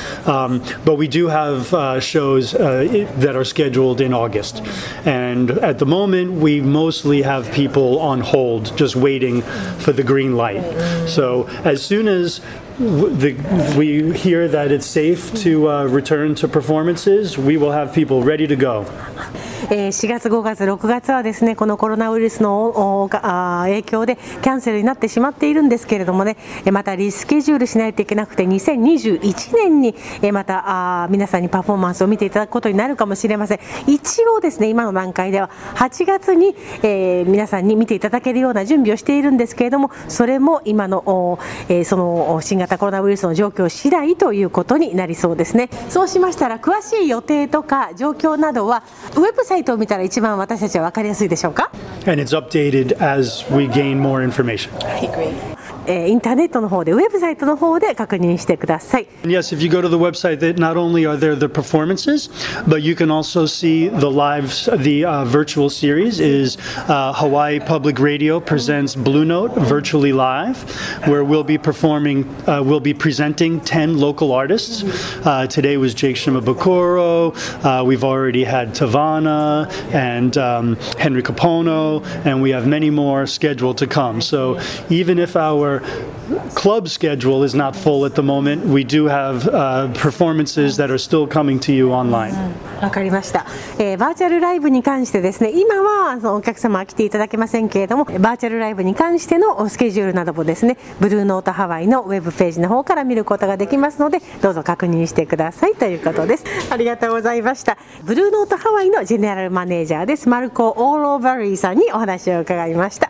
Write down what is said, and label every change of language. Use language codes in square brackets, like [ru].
[en] But we do have shows that are scheduled in August. And at the moment, we mostly have people on hold just waiting for the green light. So as soon as we hear that it's safe to return to performances, we will have people ready to go. [ja] 4月5月6月はですね、このコロナウイルスの影響でキャンセルになってしまっているんですけれどもね、またリスケジュールしないといけなくて、2021年にまた皆さんにパフォーマンスを見ていただくことになるかもしれません。一応ですね、今の段階では8月に皆さんに見ていただけるような準備をしているんですけれども、それも今のその新型コロナウイルスの状況次第ということになりそうですね。そうしましたら、詳しい予定とか状況などはウェブサイトを見たら一番私たちは分かりやすいでしょうか。 [en] And it's updated as we gain more information. [ja] インターネットの方で、ウェブサイトの方で確認してください。 [en] Yes, if you go to the website, not only are there the performances, but you can also see the live, the virtual series is Hawaii Public Radio presents Blue Note virtually live, where we'll be performing, we'll be presenting 10 local artists. Today was Jake Shimabukuro, we've already had Tavana and Henry Capono, and we have many more scheduled to come. So even if our club schedule is not full at the moment, we do have performances that are still coming to you online. [ja] わかりました。バーチャルライブに関してですね、今はそのお客様は来ていただけませんけれども、バーチャルライブに関してのスケジュールなどもですね、ブルーノートハワイのウェブページの方から見ることができますので、どうぞ確認してくださいということです。ありがとうございました。ブルーノートハワイのジェネラルマネージャーです。マルコ・オーロバリーさんにお話を伺いました。